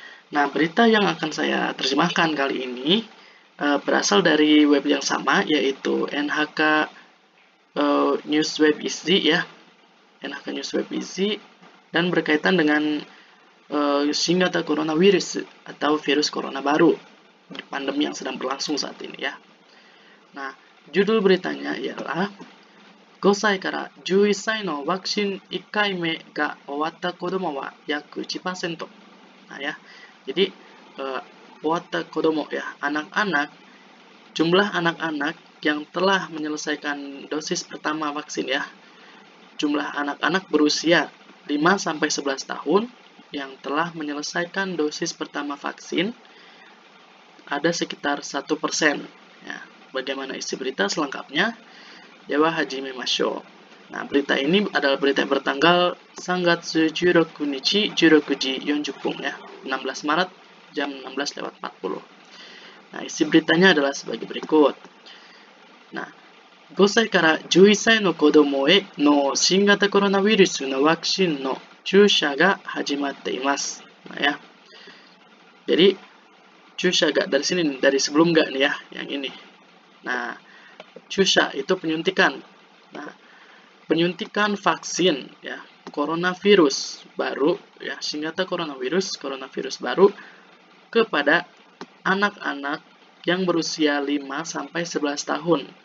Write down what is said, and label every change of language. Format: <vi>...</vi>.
<id>Nah, berita yang akan saya terjemahkan kali ini berasal dari web yang sama, yaitu NHK News Web Easy, ya. NHK News Web Easy, dan berkaitan dengan Shingata Coronavirus atau virus corona baru. Pandemi yang sedang berlangsung saat ini, ya. Nah, judul beritanya ialah</id> <ja>5歳から11歳のワクチン1回目が終わった子供は約 1%。</ja> <id>Nah, ya. Jadi,</id> <ja>終わった 子供,</ja> <id>ya, anak-anak, jumlah anak-anak yang telah menyelesaikan dosis pertama vaksin, ya. Jumlah anak-anak berusia 5-11 tahun yang telah menyelesaikan dosis pertama vaksin ada sekitar 1%. Ya, bagaimana isi berita selengkapnya?</id> <ja>Dewa Hajime Masho.</ja> <id>Nah, berita ini adalah berita yang bertanggal</id> <ja>Sangatsu Jurokunichi Jurokuji Yonjupung,</ja> <id>ya, 16 Maret jam 16.40. Nah, isi beritanya adalah sebagai berikut. Nah,</id> <ja>5歳から11歳の子供への新型コロナウイルスのワクチンの注射が始まっています。</ja> <id>Nah, ya. Jadi, Chusha ga, dari sini, dari sebelum ga nih ya, yang ini. Nah, Chusha itu penyuntikan. Nah, penyuntikan vaksin, ya, coronavirus baru, ya, singkatnya coronavirus, coronavirus baru, kepada anak-anak yang berusia 5-11 tahun.</id>